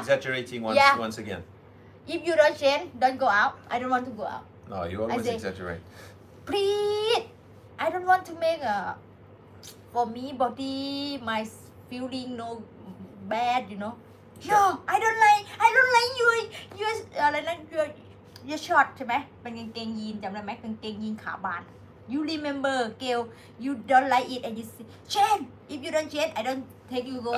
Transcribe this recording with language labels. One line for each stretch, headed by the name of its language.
English: Exaggerating once again. If you don't change, don't go out. I don't want to go out. No, you always exaggerate. Please, I don't want to make a. For me, body, my feeling no bad, you know. No, I don't like you. You're short, right?
Thai: เป็นกางเกงยีนจำได้ไหมกางเกงยีนขาบาน
English: You remember, Gael, you don't like it, and you say, Chen, if you don't change, I don't take you go